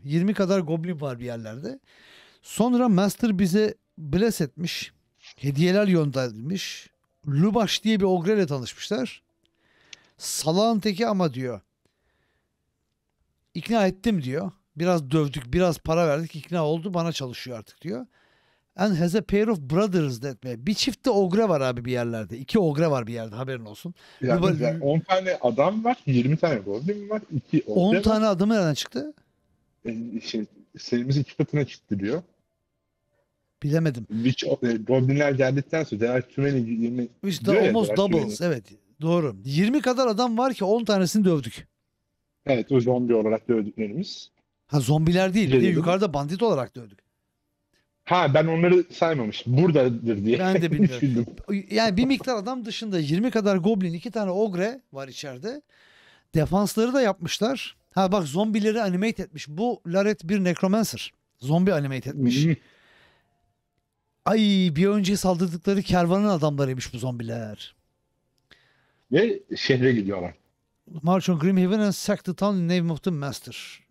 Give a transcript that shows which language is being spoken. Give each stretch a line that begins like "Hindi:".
Turkish: 20 kadar goblin var bir yerlerde. Sonra Master bize bless etmiş. Hediyeler gönderilmiş. Lubash diye bir ogre ile tanışmışlar. Salağın teki ama diyor. İkna ettim diyor. Biraz dövdük, biraz para verdik. İkna oldu, bana çalışıyor artık diyor.
English: And has a pair of brothers that way.
Turkish: Bir çift de ogre var abi bir yerlerde. İki ogre var bir yerde haberin olsun. Yani 10 tane adam var. 20 tane goblin var. 2 ogre 10 tane var. Adamı nereden çıktı? Sayımızı 2 katına çıktı diyor. Bilemedim.
English: Which,
Turkish: goblinler geldikten sonra
English: there are too many 20.
Turkish: Which diyor
English: almost doubles.
Turkish: Evet. Doğru. 20 kadar adam var ki 10 tanesini dövdük. Evet. O zombi olarak dövdüklerimiz. Ha zombiler değil. Bir de yukarıda bandit olarak dövdük. Ha ben onları saymamışım. Buradadır diye. Ben de bilmiyorum. Yani bir miktar adam dışında 20 kadar goblin, 2 tane ogre var içeride. Defansları da yapmışlar. Ha bak zombileri animate etmiş. Bu Laret bir necromancer. Zombi animate etmiş. Ay bir önce saldırdıkları kervanın adamlarıymış bu zombiler. Ve şehre gidiyorlar.
English: March on Grimhaven and sack the town in name of the master.